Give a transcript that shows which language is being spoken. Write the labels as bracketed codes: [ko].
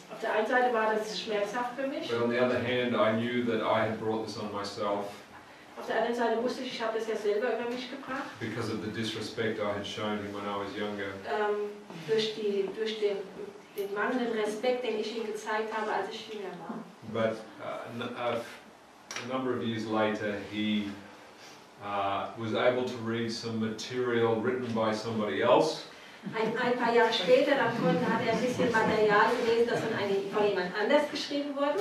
[de] Auf der einen Seite war das schmerzhaft für mich. [en] But on the other hand, I knew that I had brought this on myself. [de] Auf der anderen Seite wusste ich, ich habe das ja selber über mich gebracht. [en] Because of the disrespect I had shown him when I was younger. [de] Durch den mangelnden Respekt, den ich ihm gezeigt habe, als ich jünger war. [en] But a number of years later, he was able to read some material written by somebody else. [de] Ein paar Jahre später davon hat er ein bisschen Material gelesen, das von jemand anders geschrieben wurde.